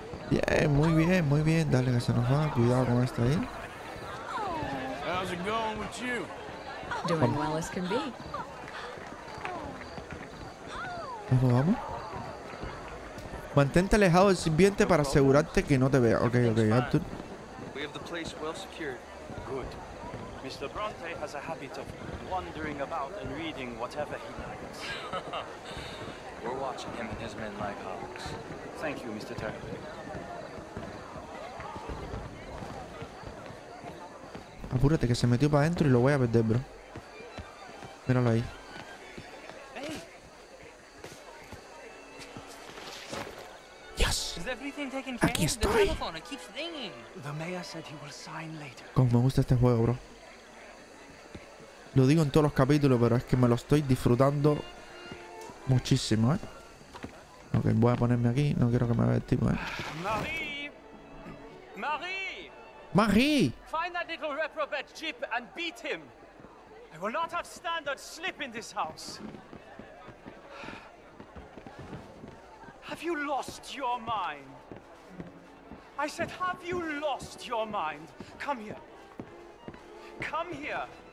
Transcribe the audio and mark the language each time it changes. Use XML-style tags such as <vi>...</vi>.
<es>Yeah, muy bien, muy bien. Dale, que se nos va. Cuidado con esta ahí.</es> <en>How's it going with you? Doing vamos. Well as can be.</en> <es>Vamos, vamos. Mantente alejado del sirviente para asegurarte que no te vea.</es> <en>Okay, okay, Arthur. We have the place well secured. Good. Mr. Bronte has a habit of wandering about and reading whatever he likes. We're watching him and his men like hawks. Thank you, Mr. Turner.</en> <es>Apúrate, que se metió para adentro y lo voy a perder, bro. Míralo ahí.</es> <en>Hey. Yes. Is everything taken care</en> <es>of? Aquí estoy.</es> <en>The telephone, it keeps ringing. The mayor said he will sign later.</en> <es>Como me gusta este juego, bro. Lo digo en todos los capítulos, pero es que me lo estoy disfrutando muchísimo, ¿eh? Ok, voy a ponerme aquí. No quiero que me vea el tipo, ¿eh? ¡Marie! ¡Marie! ¡Marie!</es> <en>Find that little reprobate Jip and beat him. I will not have standard slip in this house. Have you lost your mind? I said, have you lost your mind? Come here. Come here.</en>